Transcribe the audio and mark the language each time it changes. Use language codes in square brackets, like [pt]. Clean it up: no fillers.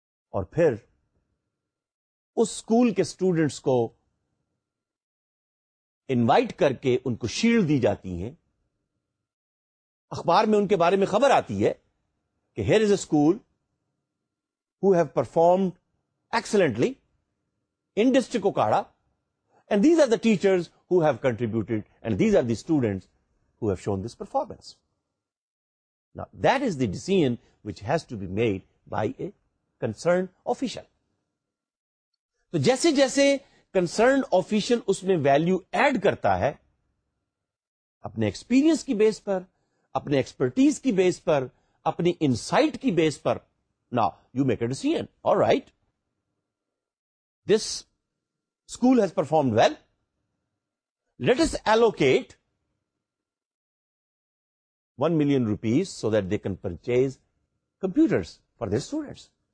[ur] اور پھر اس اسکول کے اسٹوڈنٹس کو انوائٹ کر کے ان کو شیلڈ دی جاتی ہیں, اخبار میں ان کے بارے میں خبر آتی ہے کہ [en] Here is a school who have performed excellently in district Okara and these are the teachers who have contributed and these are the students who have shown this performance. Now that is the decision which has to be made by a concern official. [ur] تو جیسے جیسے concern official اس میں value add کرتا ہے اپنے experience کی بیس پر, اپنے expertise کی بیس پر, اپنی انسائٹ کی بیس پر, [en] Now you make a decision. All right, this school has performed well, let us allocate 1 million rupees so that they can purchase computers for their students.